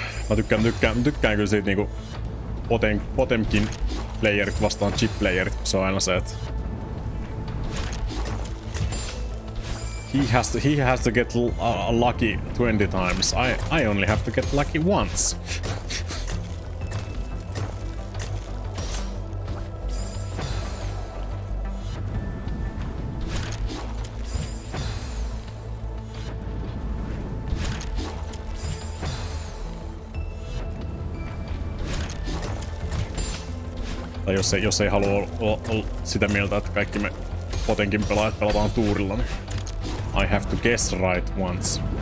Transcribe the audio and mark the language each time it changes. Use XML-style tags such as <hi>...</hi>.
<fi>Mä tykkään kyllä siitä niinku Potemkin playerit vastaan chip playerit, se on aina se, että</fi> <en>he has to get lucky 20 times. I only have to get lucky once.</en> <fi>Jos ei halua olla sitä mieltä, että kaikki me Potemkin pelaajat pelataan tuurilla, niin</fi> <en>I have to guess right once.</en>